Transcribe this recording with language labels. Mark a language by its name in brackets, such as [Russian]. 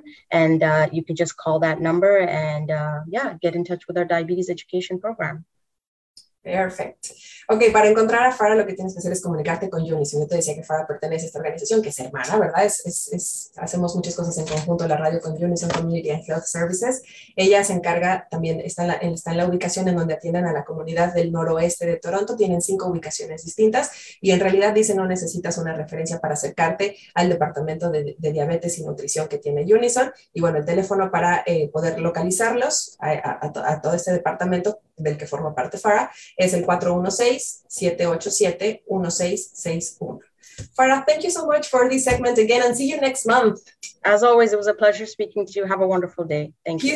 [English] And you can just call that number and get in touch with our diabetes education program. Perfect. [Spanish] Ok, para encontrar a Farah lo que tienes que hacer es comunicarte con Juni. Si yo te decía que Farah pertenece a esta organización, que es hermana, ¿verdad? Hacemos muchas cosas en conjunto, la radio con Juni, son Community and Health Services. Ella se encarga también, está en la ubicación en donde atienden a la comunidad del noroeste de Toronto. Tienen 5 ubicaciones distintas y en realidad dice no necesitas una referencia para acercarte al departamento de diabetes y nutrición que tiene Unison. Y bueno, el teléfono para poder localizarlos a todo este departamento del que forma parte Farah, es el 416-787-1661. [English] Farah, thank you so much for this segment again and see you next month. As always, it was a pleasure speaking to you. Have a wonderful day. Thank you.